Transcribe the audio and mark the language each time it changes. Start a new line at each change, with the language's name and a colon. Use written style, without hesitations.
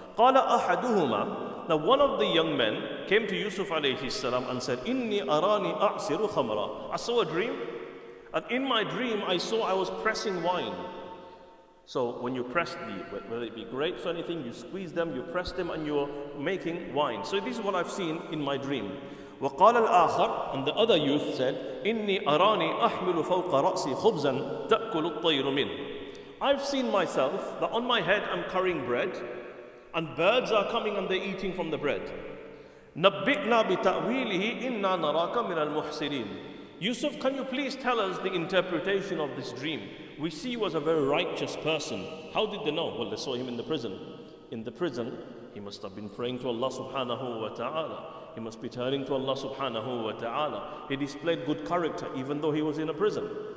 Arabic: قَالَ أَحَدُهُمَا,
English: now one of the young men came to Yusuf alayhi salam and said,
Arabic: إِنِّي أَرَانِي أَعْسِرُ خَمْرًا,
English: I saw a dream, and in my dream I saw I was pressing wine. So when you press the, whether it be grapes or anything, you squeeze them, you press them, and you're making wine. So this is what I've seen in my dream.
Arabic: وقال الآخر,
English: and the other youth said,
Arabic: إني أراني أحمل فوق رأسي خبزا تأكل الطير منه.
English: I've seen myself that on my head I'm carrying bread, and birds are coming and they're eating from the bread.
Arabic: نبئنا بتأويله إنا نراك من المحسنين.
English: Yusuf, can you please tell us the interpretation of this dream? We see he was a very righteous person. How did they know? Well, they saw him in the prison. In the prison, he must have been praying to Allah subhanahu wa ta'ala. He must be turning to Allah subhanahu wa ta'ala. He displayed good character even though he was in a prison.